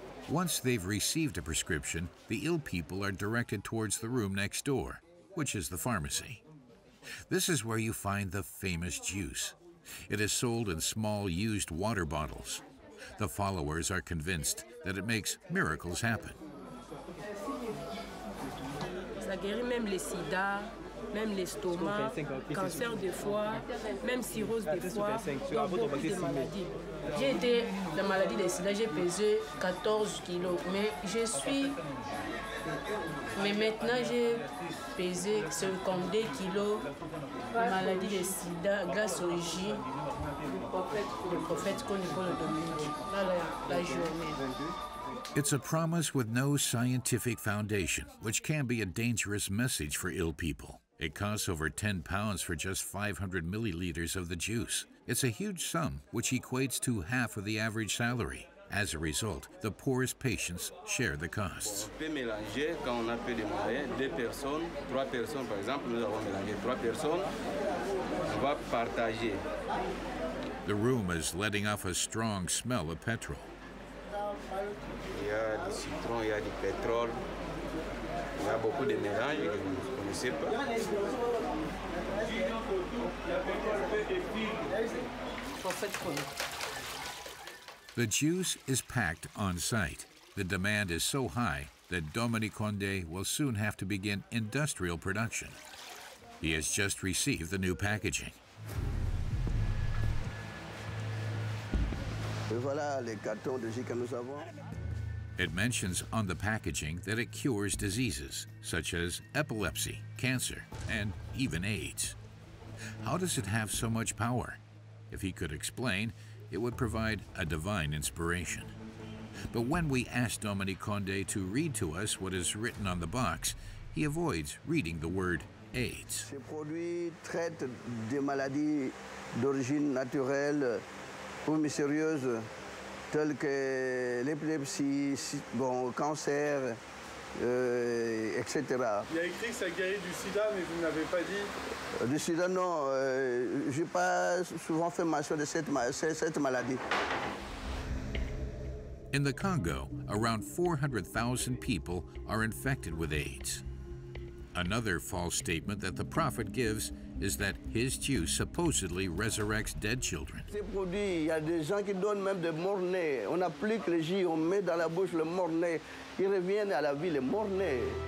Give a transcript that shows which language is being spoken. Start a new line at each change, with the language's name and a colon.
English: Once they've received a prescription, the ill people are directed towards the room next door, which is the pharmacy. This is where you find the famous juice. It is sold in small used water bottles. The followers are convinced that it makes miracles happen.
French: Ça guérit même les sida, même l'estomac, cancer des foies, même cirrhose des foies, donc beaucoup de maladies. J'ai été la maladie des sida, j'ai pesé 14 kilos, mais je suis... Mais maintenant, j'ai pesé comme 2 kilos de maladie des sida grâce au J, le prophète Konipolo Dominique. Voilà la journée.
English: It's a promise with no scientific foundation, which can be a dangerous message for ill people. It costs over 10 pounds for just 500 milliliters of the juice. It's a huge sum, which equates to half of the average salary. As a result, the poorest patients share the costs.
French: On peut mélanger quand on a peu de moyens, deux personnes, trois personnes, par exemple, nous avons mélangé trois personnes, on va partager.
English: The room is letting off a strong smell of petrol.
French: Il y a du citron, il y a du pétrole, il y a beaucoup de mélanges que vous ne connaissez pas.
English: The juice is packed on site. The demand is so high that Dominique Condé will soon have to begin industrial production. He has just received the new packaging. It mentions on the packaging that it cures diseases such as epilepsy, cancer, and even AIDS. How does it have so much power? If he could explain, it would provide a divine inspiration. But when we ask Dominique Condé to read to us what is written on the box, he avoids reading the word AIDS.
French: Ce produit traite des maladies d'origine naturelle ou mystérieuses telles que l'épilepsie, bon, cancer, etc. Il y a écrit que ça guérit du sida, mais vous n'avez pas dit. Du sida, non. Je n'ai pas souvent fait mention de cette maladie.
English: In the Congo, around 400,000 people are infected with AIDS. Another false statement that the prophet gives is that his juice supposedly resurrects dead children.
French: Ce produit, il y a des gens qui donnent même des mort-nés. On applique le jus, on met dans la bouche le mort-né. Ils reviennent à la vie, le mort-né.